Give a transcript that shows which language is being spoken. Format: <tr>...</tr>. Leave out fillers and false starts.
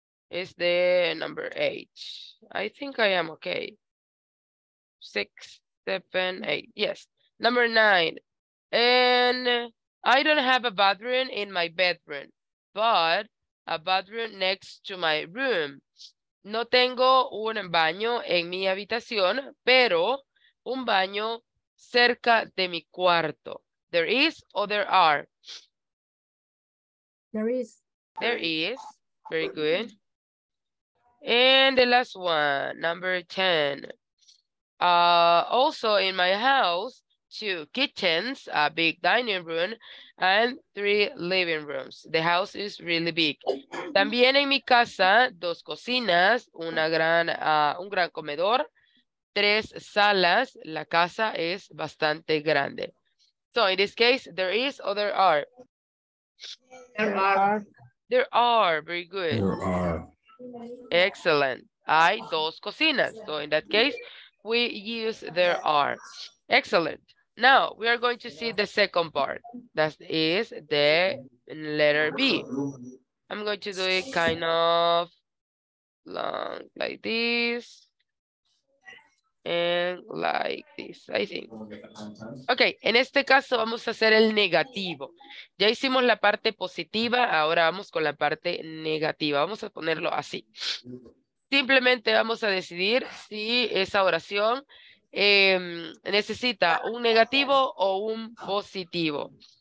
<en>Is the number 8. I think I am okay. 6, 7, 8. Yes. Number 9. And I don't have a bathroom in my bedroom, but a bathroom next to my room.</en> <es>No tengo un baño en mi habitación, pero un baño cerca de mi cuarto.</es> <en>There is or there are? There is. There is. Very good. And the last one, number 10. Also in my house, 2 kitchens, a big dining room, and 3 living rooms. The house is really big.</en> <es>También en mi casa, 2 cocinas, un gran comedor, 3 salas. La casa es bastante grande.</es> <en>So in this case, there is or there are? There are. There are, very good. There are. Excellent.</en> <es>Hay 2 cocinas.</es> <en>So in that case, we use there are. Excellent. Now, we are going to see the second part. That is the letter B. I'm going to do it kind of long like this. And like this, I think.</en> <es>Okay, en este caso vamos a hacer el negativo. Ya hicimos la parte positiva, ahora vamos con la parte negativa. Vamos a ponerlo así. Simplemente vamos a decidir si esa oración necesita un negativo o un positivo.</es>